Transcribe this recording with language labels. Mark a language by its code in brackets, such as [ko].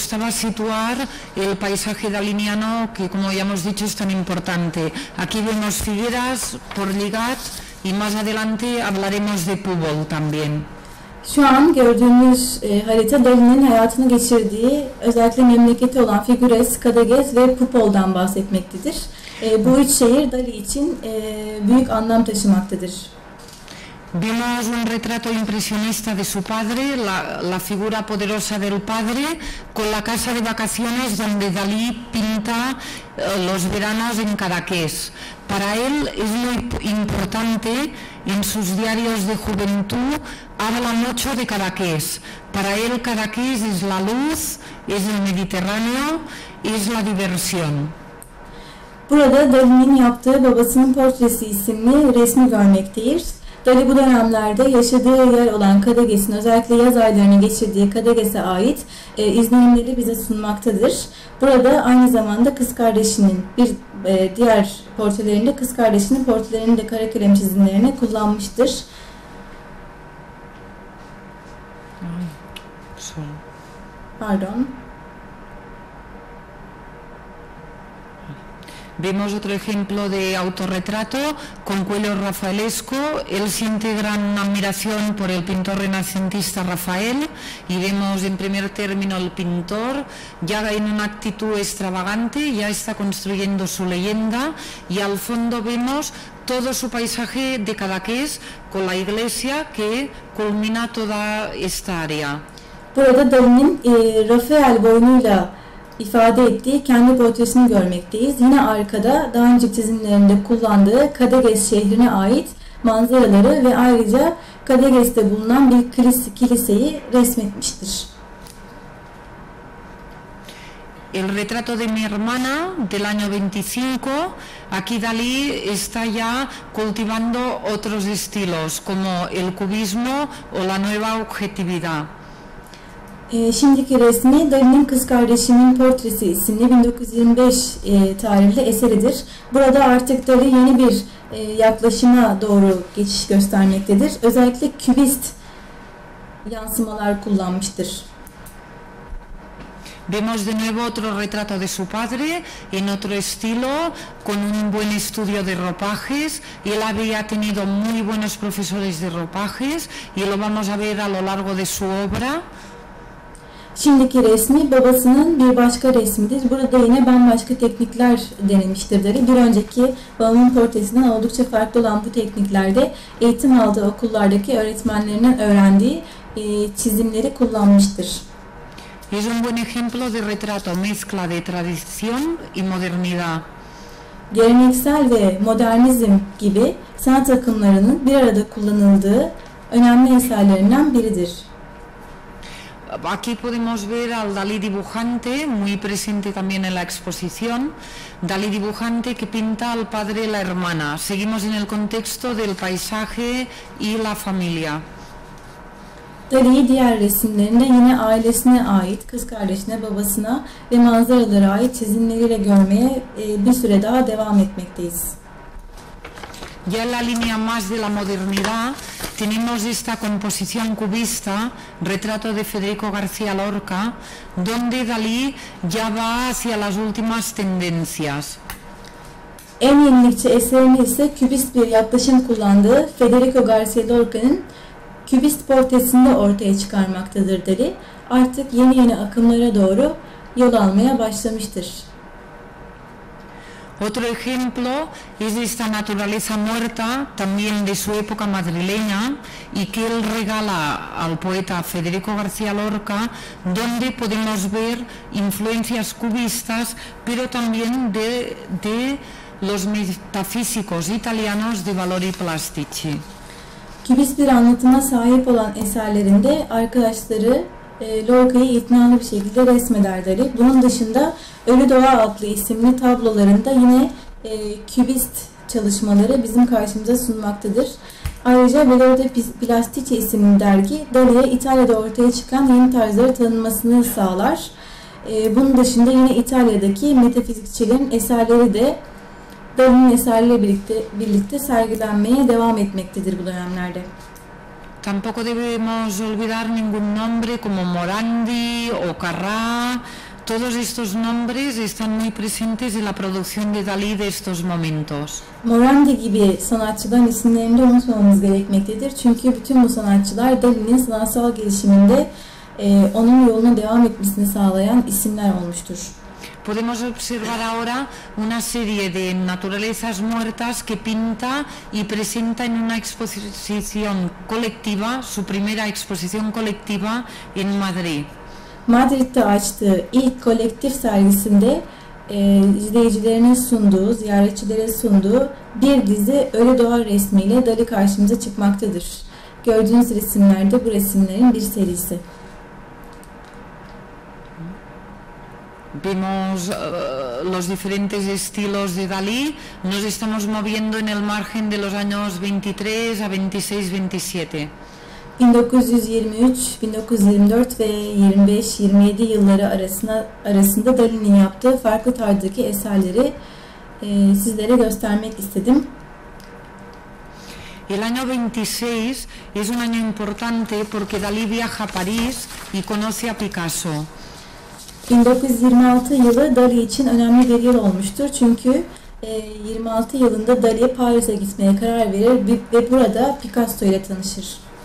[es] situar el paisaje daliniano que como ya hemos dicho es tan importante. Aquí vemos figueras por Ligat y más adelante hablaremos de Púbol también. [tr] Şu an gördüğümüz harita Dalí'nin hayatını geçirdiği özellikle memleketi olan Figueres, Cadaqués ve Púbol'dan bahsetmektedir. Bu üç şehir Dalí için büyük anlam taşımaktadır. [es] Vemos un retrato impresionista de su padre, la figura poderosa del padre, con la casa de vacaciones donde Dalí pinta los veranos en Cadaqués. Para él es muy importante, en sus diarios de juventud, habla mucho de Cadaqués. Para él Cadaqués es la luz, es el Mediterráneo, es la diversión. [tr] Burada Dalí'nin yaptığı babasının portresi isimli resmi görmekteyiz. Dalí bu dönemlerde yaşadığı yer olan Cadaqués'in özellikle yaz aylarını geçirdiği Cadaqués'e ait izlenimleri bize sunmaktadır. Burada aynı zamanda kız kardeşinin bir diğer portrelerinde kız kardeşinin portrelerini de karakalem çizimlerine kullanmıştır. Pardon. [es] Vemos otro ejemplo de autorretrato con cuello rafaelesco. Él siente gran admiración por el pintor renacentista Rafael y vemos en primer término al pintor ya en una actitud extravagante, ya está construyendo su leyenda y al fondo vemos todo su paisaje de Cadaqués con la iglesia que culmina toda esta área. [tr] Burada Dalí'nin Rafael boynuyla ifade ettiği kendi portresini görmekteyiz. Yine arkada daha önce çizimlerinde kullandığı Cadaqués şehrine ait manzaraları ve ayrıca Cadaqués'te bulunan bir kiliseyi resmetmiştir. [es] El retrato de mi hermana del año 25. Aquí Dalí está ya cultivando otros estilos como el cubismo o la nueva objetividad. [tr] Şimdiki resmi Dalí'nin kız kardeşinin portresi isimli 1925 tarihli eseridir. Burada artık Dalí yeni bir yaklaşıma doğru geçiş göstermektedir. Özellikle kübist yansımalar kullanmıştır. [es] Vemos de nuevo otro retrato de su padre, en otro estilo, con un buen estudio de ropajes. Él había tenido muy buenos profesores de ropajes y lo vamos a ver a lo largo de su obra. [tr] Şimdiki resmi babasının bir başka resmidir. Burada yine bambaşka teknikler denemiştir Dalí. Bir önceki babamın portresinden oldukça farklı olan bu tekniklerde eğitim aldığı okullardaki öğretmenlerinden öğrendiği çizimleri kullanmıştır. [es] Es un buen ejemplo de retrato mezcla de tradición y modernidad. [tr] Geleneksel ve modernizm gibi sanat akımlarının bir arada kullanıldığı önemli eserlerinden biridir. [es] Aquí podemos ver al Dalí dibujante, muy presente también en la exposición. Dalí dibujante que pinta al padre y la hermana. Seguimos en el contexto del paisaje y la familia. [tr] Dalí, diğer resimlerinde yine ailesine ait, kız kardeşine, babasına ve manzaralara ait çizimleriyle görmeye bir süre daha devam etmekteyiz. [es] Ya en la línea más de la modernidad tenemos esta composición cubista, retrato de Federico García Lorca, donde Dalí ya va hacia las últimas tendencias. [tr] En yenilikçi eserinde ise kübist bir yaklaşım kullandığı Federico García Lorca'nın kübist portresinde ortaya çıkarmaktadır Dalí. Artık yeni yeni akımlara doğru yol almaya başlamıştır. [es] Otro ejemplo es esta naturaleza muerta, también de su época madrileña, y que él regala al poeta Federico García Lorca, donde podemos ver influencias cubistas, pero también de los metafísicos italianos de Valori Plastici. [tr] Kübist bir anlatıma sahip olan eserlerinde arkadaşları Lorca'yı itinalı bir şekilde resmeder Dalí. Bunun dışında Ölü Doğa adlı isimli tablolarında yine kübist çalışmaları bizim karşımıza sunmaktadır. Ayrıca Valori Plastici isimli dergi Dalí'ye İtalya'da ortaya çıkan yeni tarzları tanınmasını sağlar. Bunun dışında yine İtalya'daki metafizikçilerin eserleri de Dalí'nin eserleriyle birlikte sergilenmeye devam etmektedir bu dönemlerde. [es] Tampoco debemos olvidar ningún nombre como Morandi o Carrà. Todos estos nombres están muy presentes en la producción de Dalí de estos momentos. [tr] Morandi gibi sanatçıların isimlerini de unutmamamız gerekmektedir. Çünkü bütün bu sanatçılar Dalí'nin sanatsal gelişiminde onun yoluna devam etmesini sağlayan isimler olmuştur. [es] Podemos observar ahora una serie de naturalezas muertas que pinta y presenta en una exposición colectiva, su primera exposición colectiva en Madrid. [tr] Madrid'de açtığı ilk kolektif sergisinde izleyicilerine sunduğu, ziyaretçilere sunduğu bir dizi ölü doğa resmiyle Dalí karşımıza çıkmaktadır. Gördüğünüz resimler de bu resimlerin bir serisi. [es] Vemos los diferentes estilos de Dalí. Nos estamos moviendo en el margen de los años 23 a 26-27. [tr] 1923, 1924 ve 25-27 yılları arasında Dalí'nin yaptığı farklı tarzdaki eserleri sizlere göstermek istedim. [es] El año 26 es un año importante porque Dalí viaja a París y conoce a Picasso. [tr] 1926 yılı Dalí için önemli bir yıl olmuştur çünkü 26 yılında Dalí Paris'e gitmeye karar verir ve burada Picasso ile tanışır.